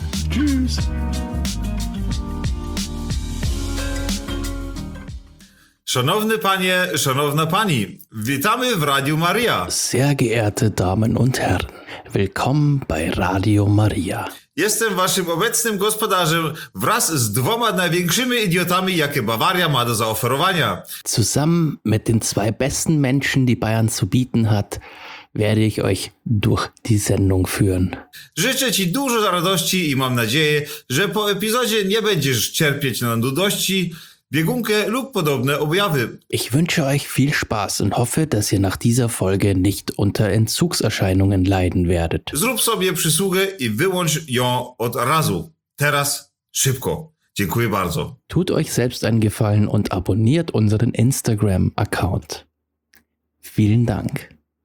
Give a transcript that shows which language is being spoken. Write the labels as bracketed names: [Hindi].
[German] Tschüss. [Polish] Szanowny Panie, Szanowna Pani, witamy w Radio Maria. [German] Sehr geehrte Damen und Herren, willkommen bei Radio Maria. [Polish] Jestem waszym obecnym gospodarzem wraz z dwoma największymi idiotami, jakie Bawaria ma do zaoferowania. [German] Zusammen mit den zwei besten Menschen, die Bayern zu bieten hat, werde ich euch durch die Sendung führen. [Polish] Życzę ci dużo radości i mam nadzieję, że po epizodzie nie będziesz cierpieć na nudości, biegunkę lub podobne objawy. [German] Ich wünsche euch viel Spaß und hoffe, dass ihr nach dieser Folge nicht unter Entzugserscheinungen leiden werdet. [Polish] Zrób sobie przysługę i wyłącz ją od razu. Teraz szybko. Dziękuję bardzo. [German] Tut euch selbst einen Gefallen und abonniert unseren Instagram-Account. Vielen Dank.